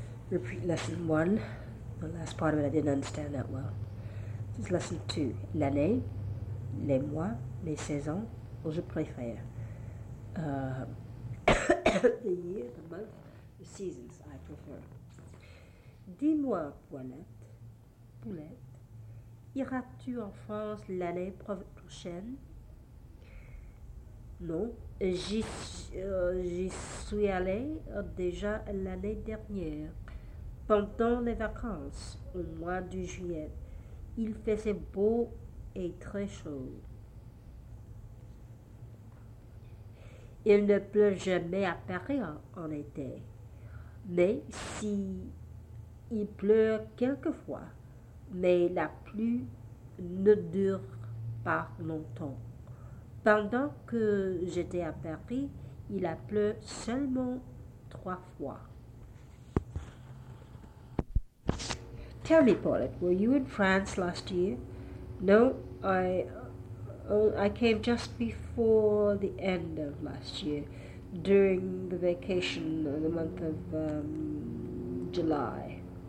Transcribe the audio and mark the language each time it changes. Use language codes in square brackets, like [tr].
[en] Repeat lesson one, the last part of it I didn't understand that well. This is lesson two. [fr] L'année, les mois, les saisons, je préfère. [en] the year, the month, the seasons, I prefer. [fr] Dis-moi, Paulette, iras-tu en France l'année prochaine? Non, j'y suis allée déjà l'année dernière. Pendant les vacances, au mois de juillet, il faisait beau et très chaud. Il ne pleut jamais à Paris en été, mais si il pleut quelquefois, mais la pluie ne dure pas longtemps. Pendant que j'étais à Paris, il a plu seulement 3 fois. [en] Tell me, Paulette, were you in France last year? No, I came just before the end of last year, during the vacation of the month of July.